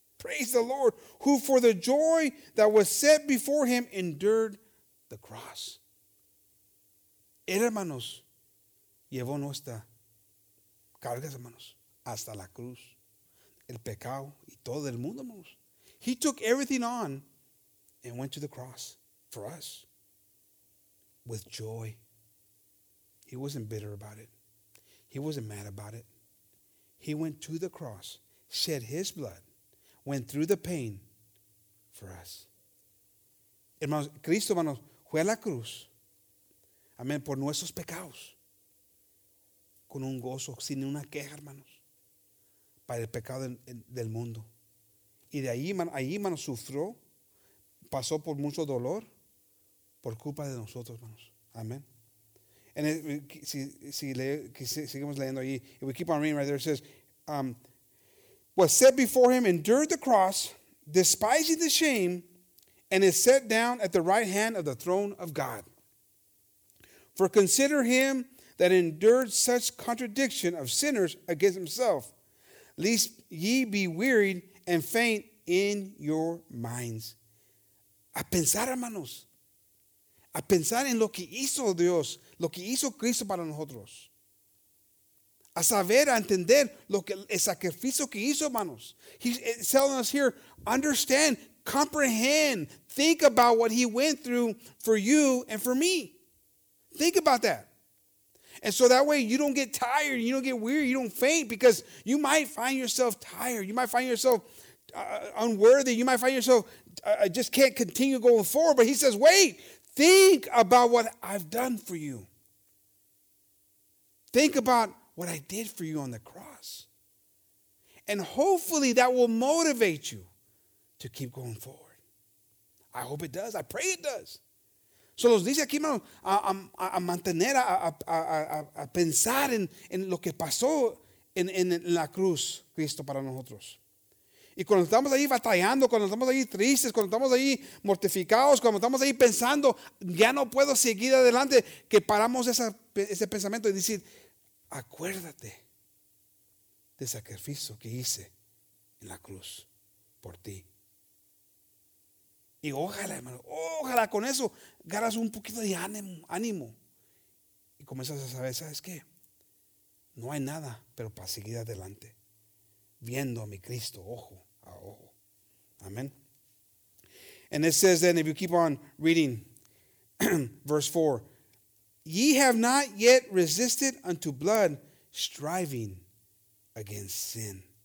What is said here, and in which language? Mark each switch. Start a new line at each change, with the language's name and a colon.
English: Praise the Lord, who for the joy that was set before him endured the cross.
Spanish: Él, hermanos, llevó nuestra carga, hermanos, hasta la cruz. El pecado y todo el mundo, hermanos.
English: He took everything on and went to the cross for us with joy. He wasn't bitter about it. He wasn't mad about it. He went to the cross, shed his blood, went through the pain for us.
Spanish: Hermanos, Cristo, hermanos, fue a la cruz, amén, por nuestros pecados, con un gozo, sin una queja, hermanos, para el pecado del mundo. Y de ahí, hermanos, sufrió. Pasó por mucho dolor por culpa de nosotros, hermanos. Amen. And seguimos leyendo ahí.
English: If we keep on reading right there, it says, was set before him, endured the cross, despising the shame, and is set down at the right hand of the throne of God. For consider him that endured such contradiction of sinners against himself, lest ye be wearied and faint in your minds.
Spanish: A pensar, hermanos, a pensar en lo que hizo Dios, lo que hizo Cristo para nosotros. A saber, a entender lo que el sacrificio que hizo, hermanos.
English: He's telling us here, understand, comprehend, think about what he went through for you and for me. Think about that. And so that way you don't get tired, you don't get weary, you don't faint, because you might find yourself tired, you might find yourself unworthy, you might find yourself, I just can't continue going forward. But he says, wait, think about what I've done for you. Think about what I did for you on the cross. And hopefully that will motivate you to keep going forward. I hope it does. I pray it does.
Spanish: So los dice aquí, hermano, a mantener, a pensar en lo que pasó en la cruz, Cristo para nosotros. Y cuando estamos ahí batallando, cuando estamos ahí tristes, cuando estamos ahí mortificados, cuando estamos ahí pensando, ya no puedo seguir adelante, que paramos ese pensamiento y decir, acuérdate del sacrificio que hice en la cruz por ti. Y ojalá, hermano, ojalá con eso ganas un poquito de ánimo. Y comienzas a saber, ¿sabes qué? No hay nada, pero para seguir adelante, viendo a mi Cristo, ojo.
English: Oh, amen. And it says then, if you keep on reading, verse 4, ye have not yet resisted unto blood, striving against sin.